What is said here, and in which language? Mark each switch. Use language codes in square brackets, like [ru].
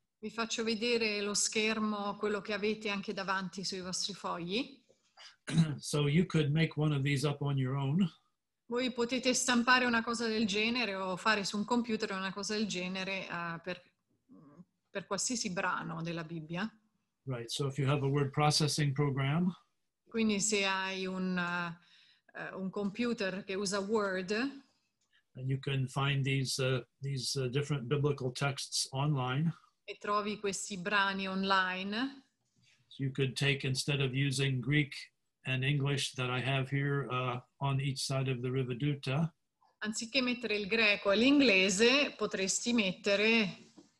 [it] Vi faccio vedere lo schermo, quello che avete anche davanti sui vostri fogli. [en] So you could make one of these up on your own. [it] Voi potete stampare una cosa del genere o fare su un computer una cosa del genere per qualsiasi brano della Bibbia. [en] Right, so if you have a word processing program. [it] Quindi se hai un computer che usa Word. [en] And you can find these different biblical texts online. [it] E trovi questi brani online. [en] So you could take, instead of using Greek and English that I have here on each side of the Rivaduta. [it] Anziché mettere il greco e l'inglese, potresti mettere...